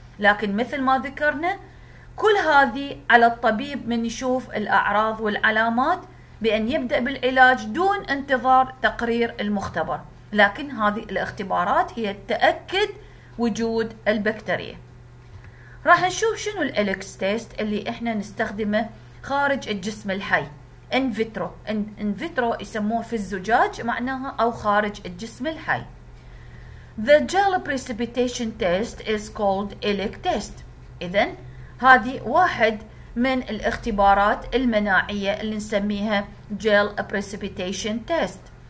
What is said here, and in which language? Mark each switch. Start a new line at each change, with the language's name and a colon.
Arabic: لكن مثل ما ذكرنا كل هذه على الطبيب من يشوف الأعراض والعلامات بأن يبدأ بالعلاج دون انتظار تقرير المختبر، لكن هذه الاختبارات هي التأكد وجود البكتيريا. راح نشوف شنو الإليكس تيست اللي احنا نستخدمه خارج الجسم الحي، إن فيترو يسموه في الزجاج معناها أو خارج الجسم الحي.
English: The gel precipitation test is called ELEC test.
Arabic: إذن هذه واحد من الاختبارات المناعية اللي نسميها gel precipitation test.